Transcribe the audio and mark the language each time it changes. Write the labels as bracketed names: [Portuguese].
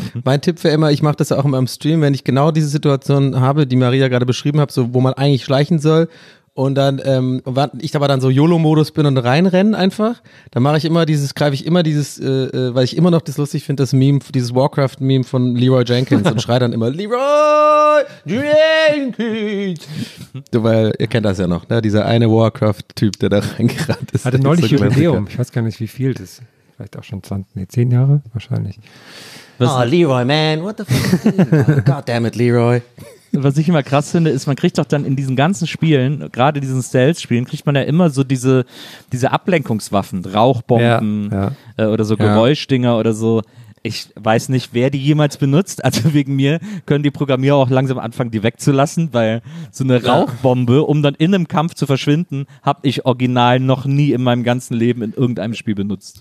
[German] Mein Tipp wäre immer, ich mache das auch immer im Stream, wenn ich genau diese Situation habe, die Maria gerade beschrieben hat, so, wo man eigentlich schleichen soll und dann ich aber dann so YOLO-Modus bin und reinrennen einfach, dann mache ich immer dieses, greife ich immer dieses, weil ich immer noch das lustig finde, das Meme, dieses Warcraft-Meme von Leroy Jenkins und schreie dann immer Leroy Jenkins! Weil ihr kennt das ja noch, ne? Dieser eine Warcraft-Typ, der da reingerannt ist. Hatte neulich Jubiläum, ich weiß gar nicht, wie viel das ist. Vielleicht auch schon 10 Jahre wahrscheinlich. [English] Oh, Leroy, man, what the fuck? God damn it, Leroy. [German] Was ich immer krass finde, ist, man kriegt doch dann in diesen ganzen Spielen, gerade diesen Stealth-Spielen, kriegt man ja immer so diese Ablenkungswaffen, Rauchbomben oder so Geräuschdinger oder so. Ich weiß nicht, wer die jemals benutzt. Also wegen mir können die Programmierer auch langsam anfangen, die wegzulassen, weil so eine Rauchbombe, um dann in einem Kampf zu verschwinden, habe ich original noch nie in meinem ganzen Leben in irgendeinem Spiel benutzt.